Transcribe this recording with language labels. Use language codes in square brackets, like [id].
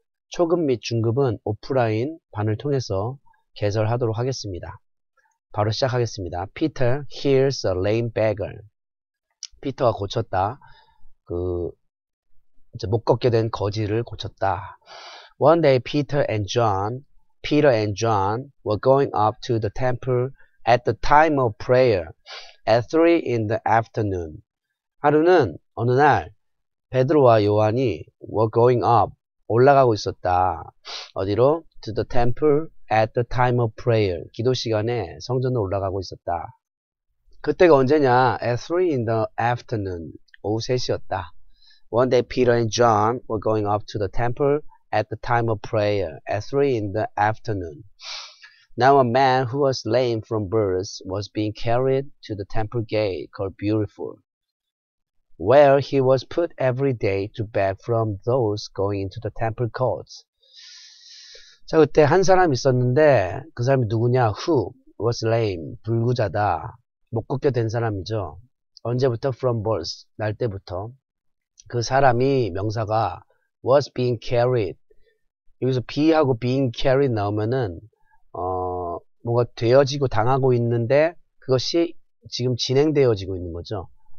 [ko] 초급 및 중급은 오프라인 반을 통해서 개설하도록 하겠습니다. 바로 시작하겠습니다. [en] Peter heals a lame beggar. [ko] 피터가 고쳤다. 못 걷게 된 거지를 고쳤다. [en] One day Peter and John were going up to the temple at the time of prayer at 3 in the afternoon. [ko] 하루는 어느 날 베드로와 요한이 were going up 올라가고 있었다. 어디로? [en] To the temple at the time of prayer. [ko] 기도 시간에 성전으로 올라가고 있었다. 그때가 언제냐? [en] At 3 in the afternoon. [ko] 오후 3시였다. [en] One day Peter and John were going up to the temple at the time of prayer at 3 in the afternoon. Now a man who was lame from birth was being carried to the temple gate called Beautiful, where he was put every day to beg from those going into the temple courts. [ko] 자, 그때 한 사람 있었는데, 그 사람이 누구냐? [en] Who was lame? [ko] 불구자다. 못 걷게 된 사람이죠. 언제부터? [en] From birth. [ko] 날 때부터. 그 사람이, 명사가 was being carried. 여기서 be하고 being carried 나오면은, 뭔가 되어지고 당하고 있는데, 그것이 지금 진행되어지고 있는 거죠.